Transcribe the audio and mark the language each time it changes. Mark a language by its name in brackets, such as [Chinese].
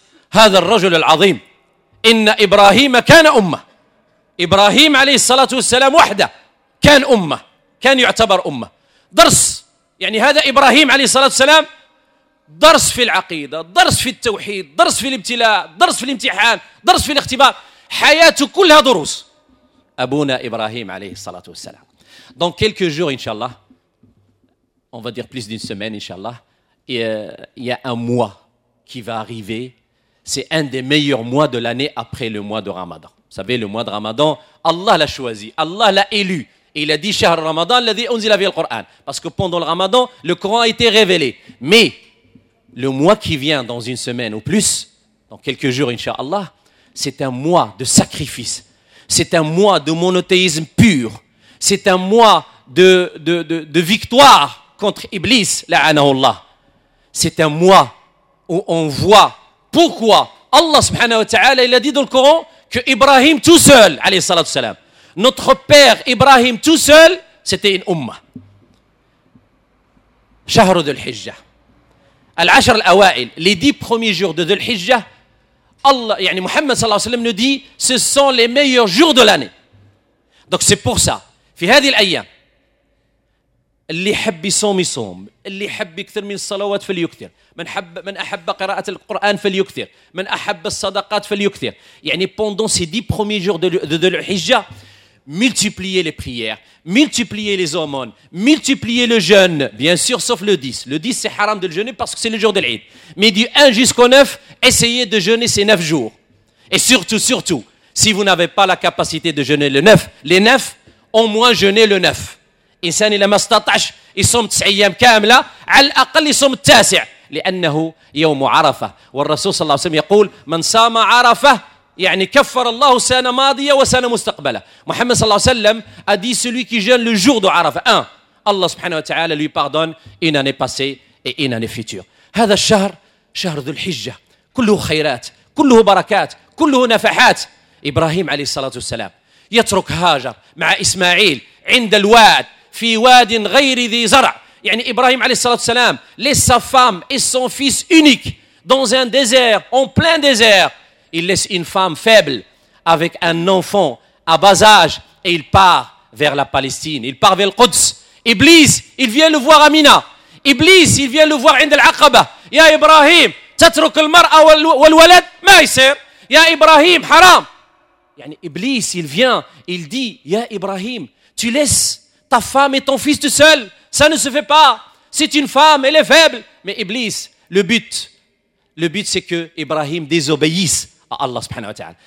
[Arabic] هذا الرجل العظيم. إن إبراهيم كان أمة، إبراهيم عليه الصلاة والسلام وحده كان أمة، كان يعتبر أمة. درس يعني هذا إبراهيم عليه الصلاة والسلام، درس في العقيدة، درس في التوحيد، درس في الابتلاء، درس في الامتحان، درس في الاختبار، حياته كلها دروس أبونا إبراهيم عليه الصلاة والسلام. [French] Dans quelques jours إن شاء الله، on va dire plus d'une semaine إن شاء الله، il y a un mois qui va arriver. C'est un des meilleurs mois de l'année après le mois de Ramadan. Vous savez, le mois de Ramadan, Allah l'a choisi, Allah l'a élu. Il a dit « [Arabic] Shahr Ramadan, alladhi unzila fihi al-Qur'an [French] » parce que pendant le Ramadan, le Coran a été révélé. Mais le mois qui vient dans une semaine ou plus, dans quelques jours, inshallah, c'est un mois de sacrifice. C'est un mois de monothéisme pur. C'est un mois de victoire contre Iblis, la'anahullah. C'est un mois où on voit pourquoi Allah subhanahu wa ta'ala, il a dit dans le Coran que Ibrahim tout seul, [Arabic] alayhi salatu wa salam, [French] notre père Ibrahim tout seul, c'était une umma. [Arabic] Shahr dhul hijjah. Al-ashr al-awa'il, [French] les 10 premiers jours de dhul hijjah, Allah, yani Muhammad [Arabic] sallallahu alayhi wa sallam [French] nous dit, ce sont les meilleurs jours de l'année. Donc c'est pour ça. [Arabic] Fi hadhi al-ayyam, اللي حب يصوم يصوم، اللي حب يكثر من الصلوات فليكثر، من أحب قراءة القرآن فليكثر، من أحب الصدقات فليكثر. [French] يعني pendant ces 10 premiers jours de l'Hijja, multipliez les prières, multipliez les aumônes, multipliez le jeûne, bien sûr sauf le 10. Le 10 c'est haram de le jeûner parce que c'est le jour de l'Eid. Mais du 1 jusqu'au 9, essayez de jeûner ces 9 jours. Et surtout, surtout, si vous n'avez pas la capacité de jeûner le 9, les 9, au moins jeûnez le 9. [Arabic] إنسان إلى ما استطعش يصوم 9 أيام كاملة على الأقل يصوم 9 لأنه يوم عرفة والرسول صلى الله عليه وسلم يقول من صام عرفة يعني كفر الله سنة ماضية وسنة مستقبلة محمد صلى الله عليه وسلم [French] a dit celui qui jeûne le jour de [Arabic] عرفة الله سبحانه وتعالى [French] lui pardonne une année passée et une année future. [Arabic] هذا الشهر شهر ذو الحجة كله خيرات كله بركات كله نفحات. إبراهيم عليه الصلاة والسلام يترك هاجر مع إسماعيل عند الواد في واد غير ذي زرع. يعني إبراهيم عليه الصلاة والسلام [French] laisse sa femme et son fils unique dans un désert, en plein désert. Il laisse une femme faible avec un enfant à bas âge et il part vers la Palestine, il part vers le Quds. Iblis, il vient le voir à Mina. Iblis, il vient le voir [Arabic] عند العقبة. يا إبراهيم تترك المرأة والولد ما يصير. يا إبراهيم حرام. يعني إبليس, [French] il vient, il dit [Arabic] يا إبراهيم [French] tu laisses ta femme et ton fils tout seul, ça ne se fait pas. C'est une femme, elle est faible. Mais Iblis, le but c'est que Ibrahim désobéisse à Allah subhanahu wa ta'ala.